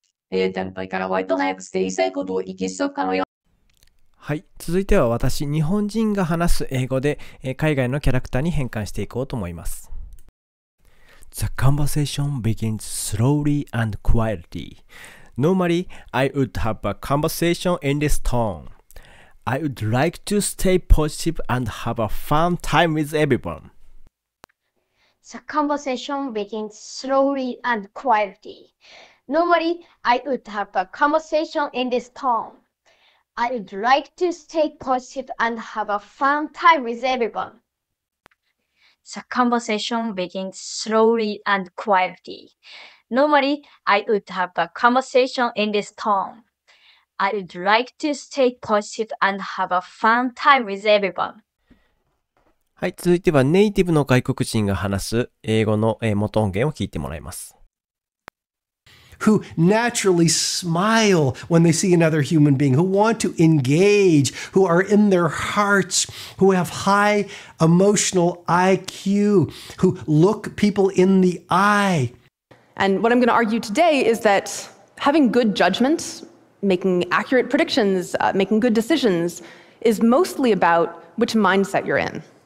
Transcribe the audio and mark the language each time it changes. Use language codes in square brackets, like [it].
[ja] 早い段階から割と早くして言いたいことを、はい、続いては私、日本人が話す英語で海外のキャラクターに変換していこうと思います。 [en] The conversation begins slowly and quietly. Normally, I would have a conversation in this tone. I would like to stay positive and have a fun time with everyone. The conversation begins slowly and quietly. Normally, I would have a conversation in this tone. I would like to stay positive and have a fun time with everyone. The conversation begins slowly and quietly. Normally, I would have a conversation in this tone. I would like to stay positive and have a fun time with everyone. [ja] はい、続いてはネイティブの外国人が話す英語の元音源を聞いてもらいます。 [en] Who naturally smile when they see another human being, who want to engage, who are in their hearts, who have high emotional IQ, who look people in the eye. And what I'm going to argue today is that having good judgment, making accurate predictions, making good decisions, is mostly about which mindset you're in.